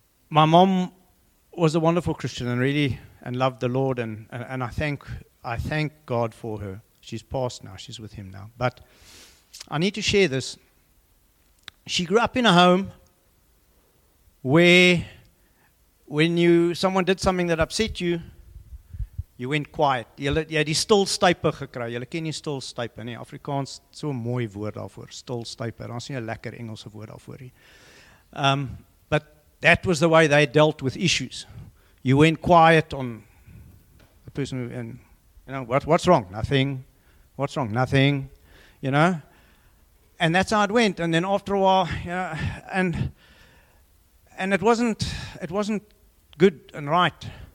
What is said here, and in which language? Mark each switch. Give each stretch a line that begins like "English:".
English: My mom was a wonderful Christian and really and loved the Lord, and I thank God for her. She's passed now. She's with him now. But I need to share this. She grew up in a home where when someone did something that upset you, you went quiet.
Afrikaans: Jy het die stilstype gekry. Jy ken die stilstype, nie? Afrikaans, so 'n mooi woord daarvoor, stilstype. Daar's nie 'n lekker Engelse woord daarvoor nie.
English: But that was the way they dealt with issues. You went quiet on the person who, and you know, what's wrong? Nothing. What's wrong? Nothing. You know? And that's how it went. And then after a while, you know, and it wasn't good and right.